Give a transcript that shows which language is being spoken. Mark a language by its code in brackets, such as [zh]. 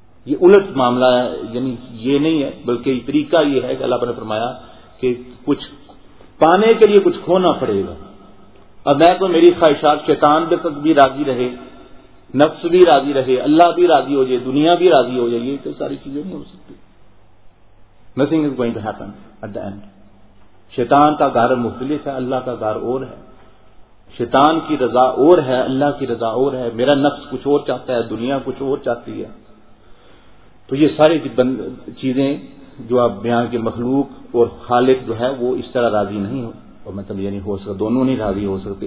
[ur] یہ الٹ معاملہ ہے, یعنی یہ نہیں ہے, بلکہ طریقہ یہ ہے کہ اللہ نے فرمایا کہ کچھ پانے کے لیے کچھ کھونا پڑے گا. اب میں تو میری خواہشات شیطان پہ تک بھی راضی رہے, نفس بھی راضی رہے, اللہ بھی راضی ہو جائے, دنیا بھی راضی ہو جائے, یہ تو ساری چیزیں نہیں ہو سکتی. [en] Nothing is going to happen at the end. [ur] شیطان کا گھر مختلف ہے, اللہ کا گھر اور ہے. شیطان کی رضا اور ہے, اللہ کی رضا اور ہے. میرا نفس کچھ اور چاہتا ہے, دنیا کچھ اور چاہتی ہے. تو یہ ساری چیزیں جو آپ بیان کے مخلوق اور خالق جو ہے وہ اس طرح راضی نہیں ہو, اور مطلب یہ نہیں ہو سکتا, دونوں نہیں راضی ہو سکتے.